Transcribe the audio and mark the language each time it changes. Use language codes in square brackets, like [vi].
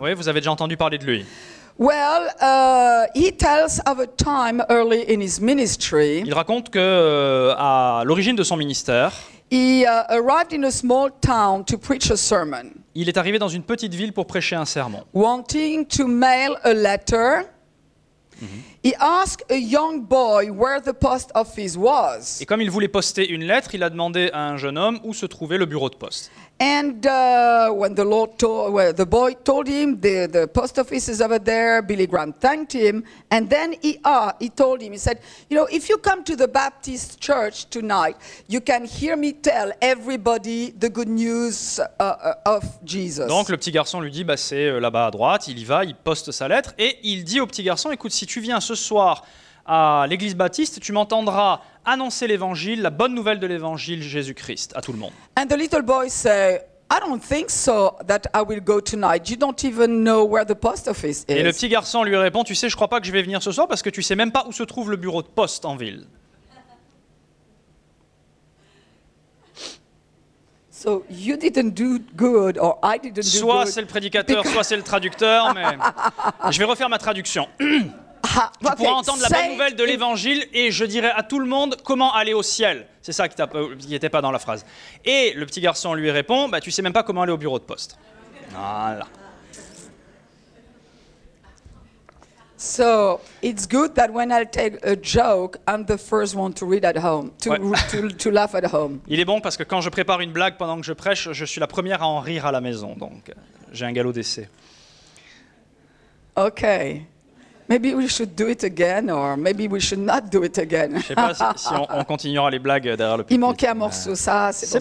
[fr] Oui, vous avez déjà entendu parler de lui. [en] Well, he tells of a time early in his ministry. [fr] Il raconte que à l'origine de son ministère, [en] he arrived in a small town to preach a sermon. [fr] Il est arrivé dans une petite ville pour prêcher un sermon. [en] Wanting to mail a letter, he asked a young boy where the post office was. [fr] Et comme il voulait poster une lettre, il a demandé à un jeune homme où se trouvait le bureau de poste. [en] And when the Lord told, well, the boy told him the post office is over there, Billy Graham thanked him, and then he told him, he said, you know, if you come to the Baptist church tonight, you can hear me tell everybody the good news of Jesus. [fr] Donc le petit garçon lui dit, bah c'est là-bas à droite, il y va, il poste sa lettre, et il dit au petit garçon, écoute, si tu viens ce soir à l'église baptiste, tu m'entendras annoncer l'évangile, la bonne nouvelle de l'évangile Jésus-Christ à tout le monde. [en] And the little boy said, I don't think so that I will go tonight. You don't even know where the post office is. [fr] Et le petit garçon lui répond, tu sais, je crois pas que je vais venir ce soir parce que tu sais même pas où se trouve le bureau de poste en ville. [en] So you didn't do good or I didn't do good. [fr] Soit c'est le prédicateur, soit c'est le traducteur, mais je vais refaire ma traduction. Tu pourras entendre la bonne nouvelle de l'évangile et je dirai à tout le monde comment aller au ciel. C'est ça qui n'était pas dans la phrase. Et le petit garçon lui répond, bah, tu ne sais même pas comment aller au bureau de poste. Voilà. [en] So it's good that when I tell a joke, I'm the first one to read at home, to laugh at home. [fr] Il est bon parce que quand je prépare une blague pendant que je prêche, je suis la première à en rire à la maison. Donc j'ai un galop d'essai. Ok. [en] Maybe we should do it again, or maybe we should not do it again. [fr] Je sais pas si on continuera les blagues derrière le pupitre. Il manquait un morceau, ça, c'est pour ça.